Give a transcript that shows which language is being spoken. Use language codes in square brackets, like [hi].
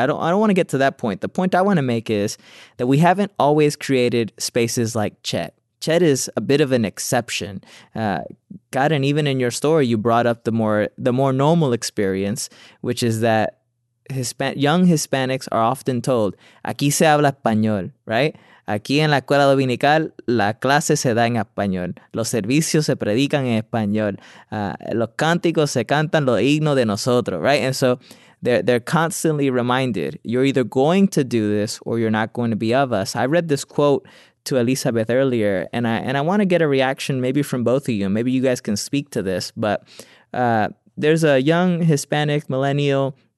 [en] I don't want to get to that point. The point I want to make is that we haven't always created spaces like Chet. Chet is a bit of an exception. God, and even in your story, you brought up the more normal experience, which is that young Hispanics are often told, [es] aquí se habla español, [en] right? [es] Aquí en la escuela dominical, la clase se da en español. Los servicios se predican en español. Los cánticos se cantan los himnos de nosotros, right? [en] And so they're constantly reminded, you're either going to do this or you're not going to be of us. I read this quote to Elizabeth earlier, and I want to get a reaction maybe from both of you. Maybe you guys can speak to this, but there's a young Hispanic millennial.